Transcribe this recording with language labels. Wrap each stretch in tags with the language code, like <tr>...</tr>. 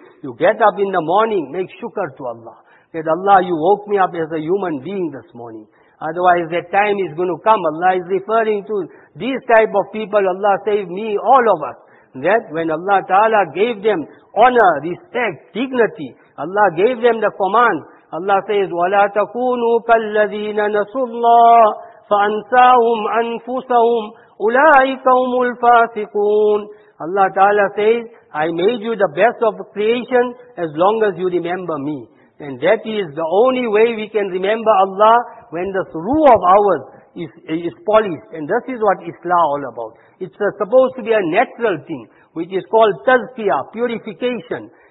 <en>You get up in the morning, make shukr to Allah. Say, Allah, you woke me up as a human being this morning. Otherwise, that time is going to come. Allah is referring to these type of people. Allah saved me, all of us. That when Allah Ta'ala gave them honor, respect, dignity, Allah gave them the command. Allah says,</en> <ar>وَلَا تَكُونُوا كَالَّذِينَ نَسُوا اللَّهِ فَأَنْسَاهُمْ أَنْفُسَهُمْ أُولَٰئِكَ هُمُ الْفَاسِقُونَ.</ar> <en>Allah Ta'ala says, I made you the best of creation as long as you remember me. And that is the only way we can remember Allah, when the ruh of ours is polished. And this is what Islah all about. It's supposed to be a natural thing, which is called tazkiyah, purification.</en>